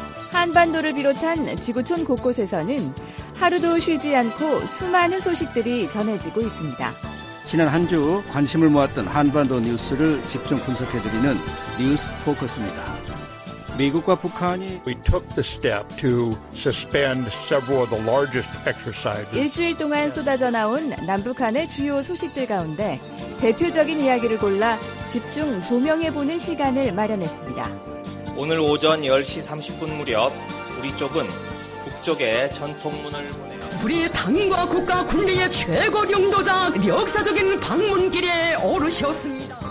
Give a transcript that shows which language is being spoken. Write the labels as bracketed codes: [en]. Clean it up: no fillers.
[ko] 한반도를 비롯한 지구촌 곳곳에서는 하루도 쉬지 않고 수많은 소식들이 전해지고 있습니다. 지난 한 주 관심을 모았던 한반도 뉴스를 집중 분석해드리는 뉴스 포커스입니다. 미국과 북한이 [en] We took the step to suspend several of the largest exercises. [ko] 일주일 동안 쏟아져 나온 남북한의 주요 소식들 가운데 대표적인 이야기를 골라 집중 조명해보는 시간을 마련했습니다. 오늘 오전 10시 30분 무렵 우리 쪽은 북쪽에 전통문을 보내요. 우리 당과 국가 군대의 최고 영도자 역사적인 방문길에 오르셨습니다.